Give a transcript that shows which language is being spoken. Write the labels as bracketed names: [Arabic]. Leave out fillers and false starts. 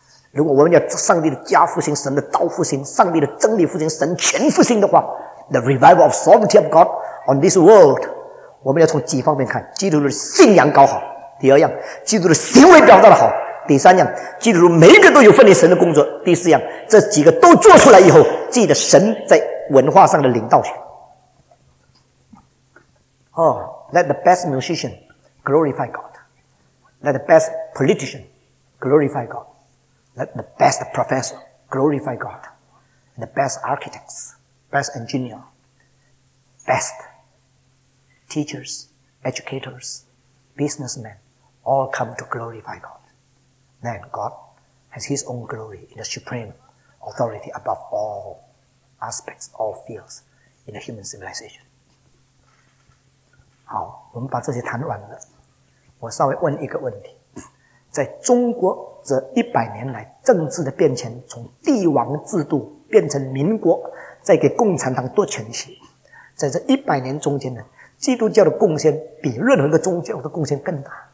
[Chinese] 如果我们要上帝的家复兴、神的道复兴、上帝的真理复兴、神全复兴的话， [English] The revival of sovereignty of God on this world， [Chinese] 我们要从几方面看，基督徒的信仰搞好，第二样，基督徒的行为表达的好，第三样，基督徒每一个都有份于神的工作，第四样，这几个都做出来以后，记得神在文化上的领导权。 [English] Oh, let the best musician glorify God. Let the best politician glorify God. Let the best professor glorify God. The best architects, best engineer, bestteachers, educators, businessmen, all come to glorify God. Then God has his own glory in the supreme authority above all aspects, all fields in the human civilization. [Chinese] 好，我们把这些谈完了，我稍微问一个问题。在中国这100年来政治的变迁，从帝王制度变成民国，再给共产党夺权势，在这100年中间呢，基督教的贡献比任何一个宗教的贡献更大。